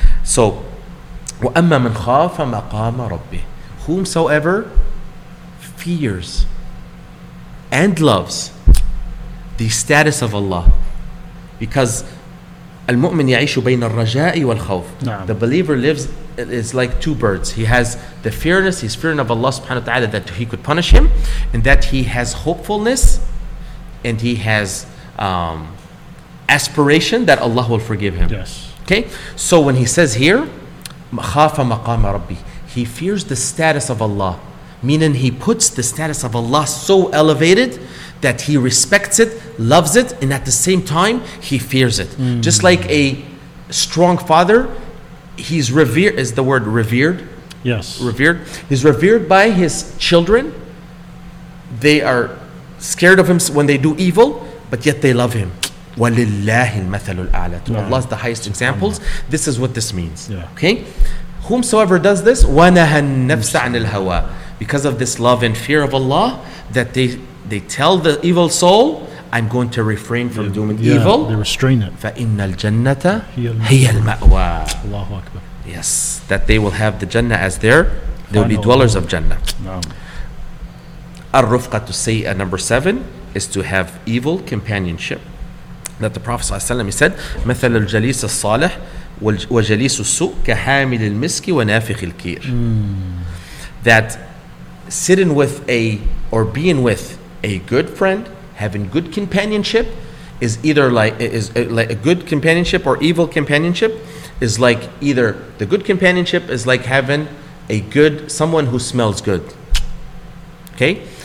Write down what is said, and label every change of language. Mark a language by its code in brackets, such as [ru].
[ar] So, وَأَمَّا مَنْ خَافَ مَقَامَ رَبِّهِ. [en] Whomsoever fears and loves the status of Allah. [ar] Because المؤمن يعيش بين الرجاء والخوف. [en] The believer lives, is like two birds. He has the fearness, he's fearing of Allah subhanahu wa ta'ala that he could punish him, and that he has hopefulness and he has aspiration that Allah will forgive him. Yes. Okay? So when he says here, [ar] خَافَ مَقَامَ رَبِّي, [en] he fears the status of Allah, meaning he puts the status of Allah so elevated that he respects it, loves it, and at the same time, he fears it. Mm. Just like a strong father, he's revered, is the word revered? Yes. Revered. He's revered by his children. They are scared of him when they do evil, but yet they love him. [ar] وَلِلَّهِ الْمَثَلُ الْأَعْلَى. [en] To Allah is the highest examples. This is what this means. Yeah. Okay? Whomsoever does this, [ar] وَنَهَى النَّفْسَ عَنِ الْهَوَى. [en] Because of this love and fear of Allah, that they tell the evil soul, I'm going to refrain from doing evil. They restrain it. [ar] فَإِنَّ الْجَنَّةَ هِيَ الْمَأْوَى. Allahu Akbar. [en] Yes. That they will have the Jannah as their, they will be dwellers of Jannah. [ar] الرُّفْقَةُ السَّيِّئَةُ. [en] Number seven is to have evil companionship. That the Prophet ﷺ said, [ar] مثل الجليس الصالح وجليس السوء كحامل المسك ونافخ الكير. [en] That sitting with being with a good friend, having good companionship, is either like a good companionship or evil companionship, is like either the good companionship is like having a good someone who smells good. Okay?